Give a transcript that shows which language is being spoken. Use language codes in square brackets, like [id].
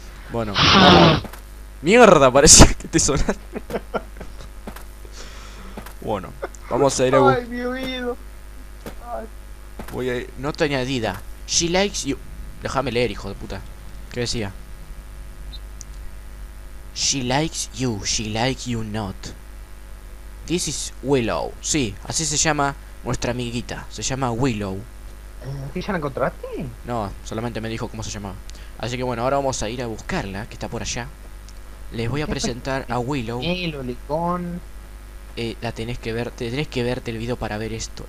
[es] Bueno, dale. Achú. Mierda, parecía que te sonaba. Bueno, vamos a ir a Ay, buscar. mi oído. Ay. Voy a ir. Nota añadida. [en] She likes you. [es] Déjame leer, hijo de puta. ¿Qué decía? [en] She likes you, she likes you not. This is Willow. [es] Sí, así se llama nuestra amiguita. Se llama Willow. ¿Y ya la encontraste? No, solamente me dijo cómo se llamaba. Así que bueno, ahora vamos a ir a buscarla, que está por allá. Les voy a ¿Qué presentar a Willow. pelicón? La tenés que ver, tenés que verte el video para ver esto.